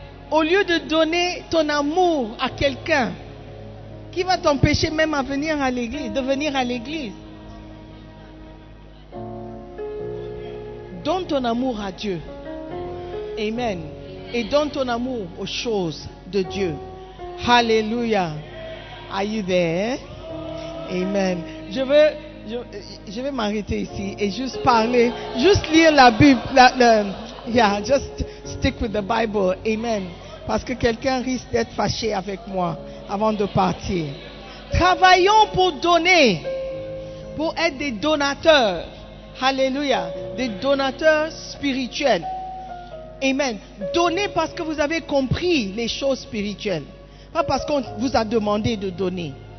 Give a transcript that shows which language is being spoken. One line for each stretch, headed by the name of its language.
French: Au lieu de donner ton amour à quelqu'un qui va t'empêcher même à venir à l'église, de venir à l'église, donne ton amour à Dieu. Amen. Et donne ton amour aux choses de Dieu. Hallelujah.
English: Are you there?
French: Amen. Je vais m'arrêter ici et juste parler, juste lire la Bible.
English: Just stick with the Bible. Amen.
French: Parce que quelqu'un risque d'être fâché avec moi avant de partir. Travaillons pour donner, pour être des donateurs. Hallelujah. Des donateurs spirituels. Amen. Donnez parce que vous avez compris les choses spirituelles. Pas parce qu'on vous a demandé de donner.